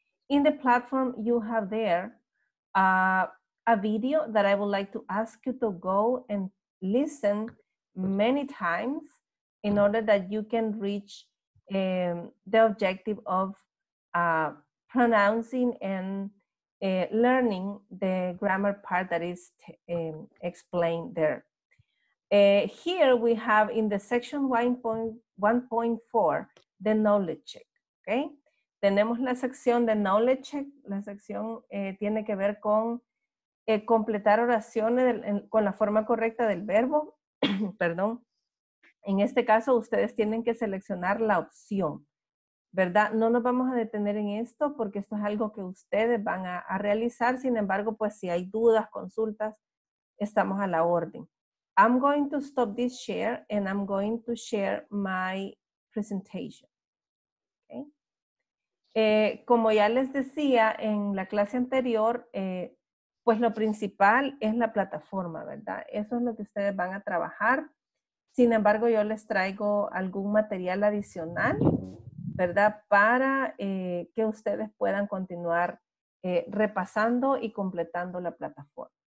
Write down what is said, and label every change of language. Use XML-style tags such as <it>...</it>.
<en>In the platform you have there a video that I would like to ask you to go and listen many times in order that you can reach the objective of pronouncing and learning the grammar part that is explained there. Here we have in the section 1.4, the knowledge check, okay?</en> <es>Tenemos la sección de knowledge check. La sección tiene que ver con completar oraciones con la forma correcta del verbo, perdón. En este caso, ustedes tienen que seleccionar la opción, ¿verdad? No nos vamos a detener en esto porque esto es algo que ustedes van a realizar. Sin embargo, pues si hay dudas, consultas, estamos a la orden.</es> <en>I'm going to stop this share and I'm going to share my presentation. Okay.</en> <es>Como ya les decía en la clase anterior, pues lo principal es la plataforma, ¿verdad? Eso es lo que ustedes van a trabajar. Sin embargo, yo les traigo algún material adicional, ¿verdad? Para que ustedes puedan continuar repasando y completando la plataforma.</es>